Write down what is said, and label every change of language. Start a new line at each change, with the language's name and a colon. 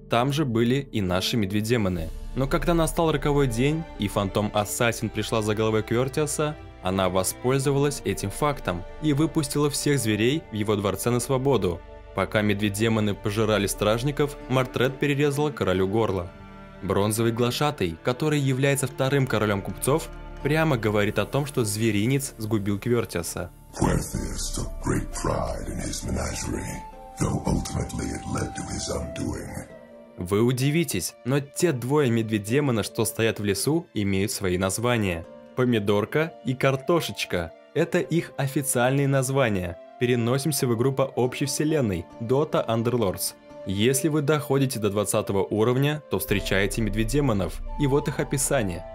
Russian: Там же были и наши медведемоны. Но когда настал роковой день, и фантом-ассасин пришла за головой Квертиаса, она воспользовалась этим фактом и выпустила всех зверей в его дворце на свободу. Пока медведемоны пожирали стражников, Мартред перерезала королю горло. Бронзовый глашатый, который является вторым королем купцов, прямо говорит о том, что зверинец сгубил Квертиаса.
English: Квертиас took great pride in his menagerie, though ultimately it led to his undoing.
Russian: Вы удивитесь, но те двое медведемона, что стоят в лесу, имеют свои названия. Помидорка и Картошечка – это их официальные названия. Переносимся в игру по общей вселенной – Dota Underlords. Если вы доходите до 20 уровня, то встречаете медведемонов, и вот их описание.